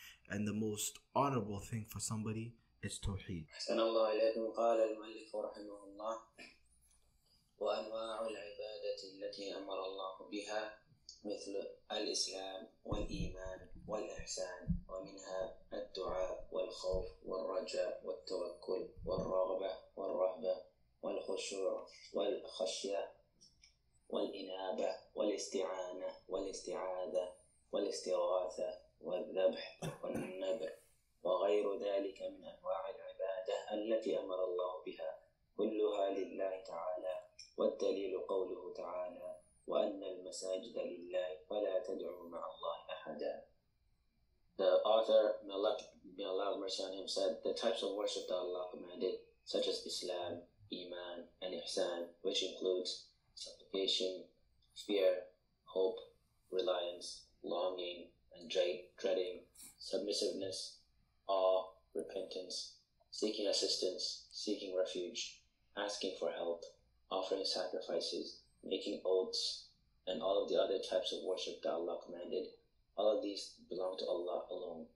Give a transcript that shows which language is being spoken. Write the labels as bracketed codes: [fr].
[en] And the most honorable thing for somebody is tawheed. [ar] أَحْسَنَ اللَّهُ إِلَيْكُمْ قَالَ الْمُؤَلِّفُ رَحِمَهُ اللَّهُ وأنواع العبادة التي أمر الله بها مثل الإسلام والإيمان والإحسان، ومنها الدعاء والخوف والرجاء والتوكل والرغبة والرهبة والخشوع والخشية والإنابة والاستعانة والاستعاذة والاستغاثة والذبح والنذر وغير ذلك من أنواع العبادة التي أمر الله بها، كلها لله تعالى. والدليل قوله تعالى: وأن المساجد لله فلا تدعوا مع الله أحدا. [en] The author, may Allah, mercy on him, said the types of worship that Allah commanded, such as Islam, Iman, and Ihsan, which includes supplication, fear, hope, reliance, longing, and dreading, submissiveness, awe, repentance, seeking assistance, seeking refuge, asking for help, offering sacrifices, making oaths, and all of the other types of worship that Allah commanded, all of these belong to Allah alone.